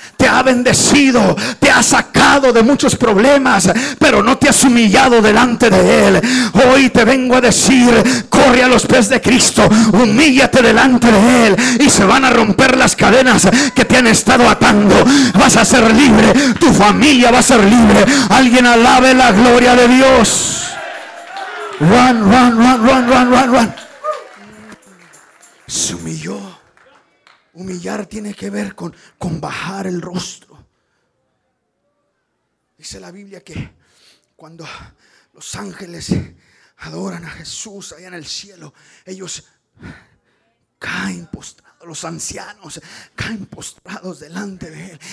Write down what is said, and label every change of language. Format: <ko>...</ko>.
<es>Te ha bendecido, te ha sacado de muchos problemas, pero no te has humillado delante de Él. Hoy te vengo a decir, corre a los pies de Cristo, humíllate delante de Él y se van a romper las cadenas que te han estado atando. Vas a ser libre, tu familia va a ser libre. Alguien alabe la gloria de Dios.</es> <en>Run, run, run, run, run, run, run.</en> <es>Se humilló. Humillar tiene que ver con bajar el rostro. Dice la Biblia que cuando los ángeles adoran a Jesús allá en el cielo, ellos caen postrados, los ancianos caen postrados delante de Él.</es>